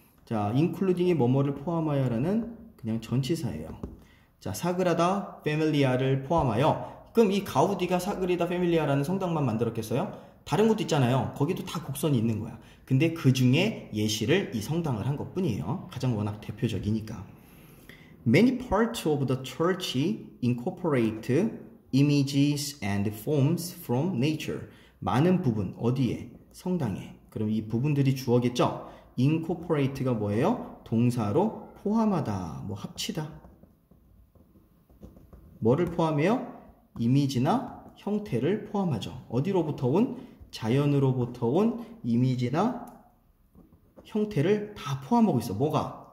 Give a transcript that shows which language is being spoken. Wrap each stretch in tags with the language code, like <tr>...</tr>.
<ko>자, including이 뭐뭐를 포함하여라는 그냥 전치사예요. 자, 사그라다 패밀리아를 포함하여. 그럼 이 가우디가 사그리다 패밀리아라는 성당만 만들었겠어요? 다른 것도 있잖아요. 거기도 다 곡선이 있는 거야. 근데 그 중에 예시를 이 성당을 한 것뿐이에요. 가장 워낙 대표적이니까.</ko> <en>Many parts of the church incorporate images and forms from nature.</en> <ko>많은 부분, 어디에? 성당에. 그럼 이 부분들이 주어겠죠? incorporate가 뭐예요? 동사로 포함하다, 뭐 합치다. 뭐를 포함해요? 이미지나 형태를 포함하죠. 어디로부터 온? 자연으로부터 온 이미지나 형태를 다 포함하고 있어. 뭐가?</ko>